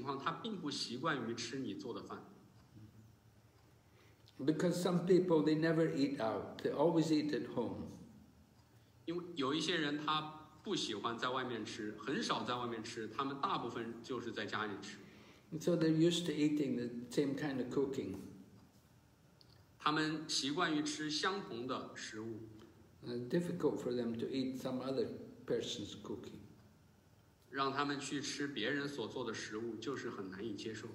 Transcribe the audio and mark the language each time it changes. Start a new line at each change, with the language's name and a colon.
Chinese: 如果其实还有一种情况，就是有一些人如果他吃你做的饭，有可能也会出现类似的情况，他并不习惯于吃你做的饭。
English: Because some people, they never eat out. They always eat at home.
Chinese: 因为有一些人他不喜欢在外面吃，很少在外面吃，他们大部分就是在家里吃。
English: So they're used to eating the same kind of cooking.
Chinese: 他们习惯于吃相同的食物。
English: It's difficult for them to eat some other person's cooking.
Chinese: 让他们去吃别人所做的食物就是很难以接受。